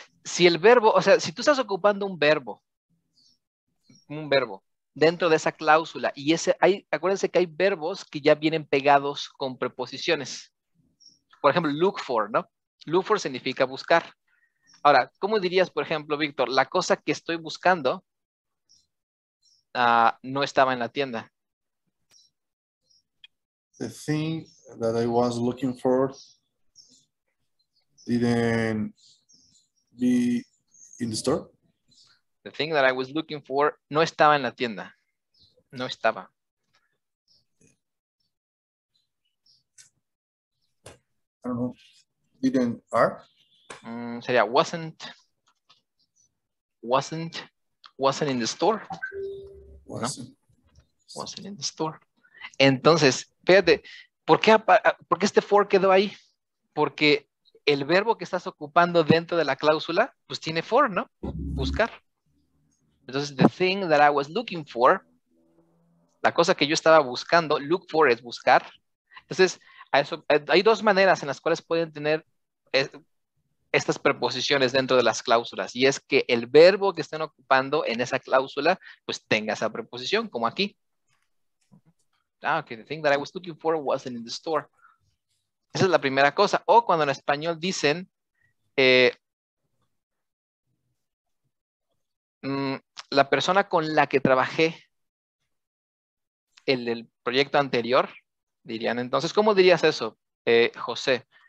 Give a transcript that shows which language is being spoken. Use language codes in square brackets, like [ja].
[es] Si el verbo, o sea, si tú estás ocupando un verbo dentro de esa cláusula, y ese, hay, acuérdense que hay verbos que ya vienen pegados con preposiciones. Por ejemplo, look for, ¿no? Look for significa buscar. Ahora, ¿cómo dirías, por ejemplo, Víctor, la cosa que estoy buscando no estaba en la tienda? [en] The thing that I was looking for didn't be in the store. The thing that I was looking for [es] no estaba en la tienda. No estaba. [en] I don't know. Didn't are? Sería wasn't. Wasn't. Wasn't in the store. Wasn't. No. Wasn't in the store. [es] Entonces, fíjate, ¿por qué este for quedó ahí? Porque el verbo que estás ocupando dentro de la cláusula, pues tiene for, ¿no? Buscar. Entonces, [en] the thing that I was looking for, [es] la cosa que yo estaba buscando, look for es buscar. Entonces, a eso, hay dos maneras en las cuales pueden tener estas preposiciones dentro de las cláusulas. Y es que el verbo que estén ocupando en esa cláusula, pues tenga esa preposición, como aquí. [en] Ah, okay. The thing that I was looking for wasn't in the store. [es] Esa es la primera cosa. O cuando en español dicen, la persona con la que trabajé el proyecto anterior, dirían entonces, ¿cómo dirías eso, José?